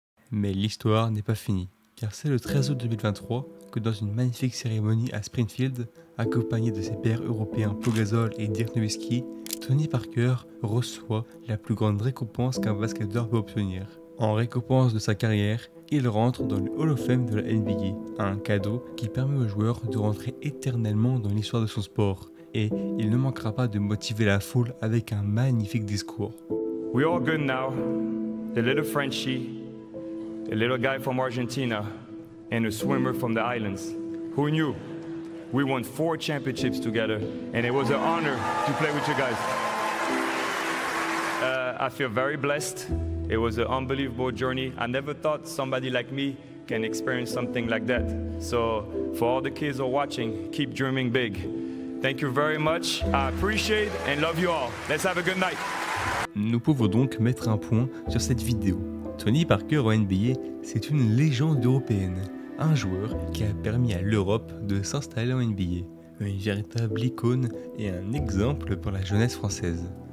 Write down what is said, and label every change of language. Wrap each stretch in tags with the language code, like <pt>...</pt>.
<fr>Mais l'histoire n'est pas finie, car c'est le 13 août 2023 que dans une magnifique cérémonie à Springfield, accompagné de ses pairs européens Pau Gasol et Dirk Nowitzki, Tony Parker reçoit la plus grande récompense qu'un basketteur peut obtenir. En récompense de sa carrière, il rentre dans le Hall of Fame de la NBA, un cadeau qui permet au joueur de rentrer éternellement dans l'histoire de son sport. Et il ne manquera pas de motiver la foule avec un magnifique discours.</fr> <en>We all good now. The little Frenchie, the little guy from Argentina, and a swimmer from the islands. Who knew? We won 4 championships together, and it was an honor to play with you guys. I feel very blessed. It was an unbelievable journey. I never thought somebody like me can experience something like that. So for all the kids who are watching, keep dreaming big. Thank you very much. I appreciate and love you all. Let's have a good night.</en> <fr>Nous pouvons donc mettre un point sur cette vidéo. Tony Parker au NBA, c'est une légende européenne. Un joueur qui a permis à l'Europe de s'installer en NBA. Une véritable icône et un exemple pour la jeunesse française.</fr>